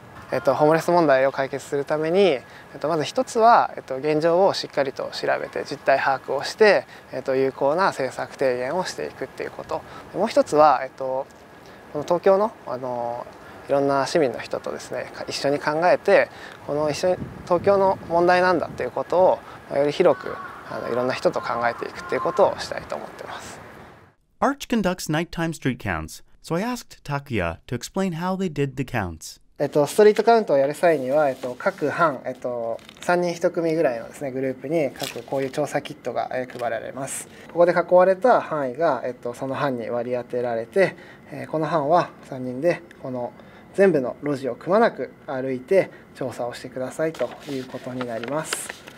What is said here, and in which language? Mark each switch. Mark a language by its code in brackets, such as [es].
[ja] ホームレス問題を解決するために、まず一つは、現状をしっかりと調べて実態把握をして、有効な政策提言をしていくっていうこと。もう一つは、この東京の、いろんな市民の人とですね、一緒に考えて、この一緒に東京の問題なんだっていうことをより広く、いろんな人と考えていくっていうことをしたいと思ってます。 [en] ARCH conducts nighttime street counts, so I asked Takuya to explain how they did the counts. [ja] ストリートカウントをやる際には、各班、3人1組ぐらいのですね、グループに各こういう調査キットが配られます。ここで囲われた範囲が、その班に割り当てられて、この班は3人でこの全部の路地をくまなく歩いて調査をしてくださいということになります。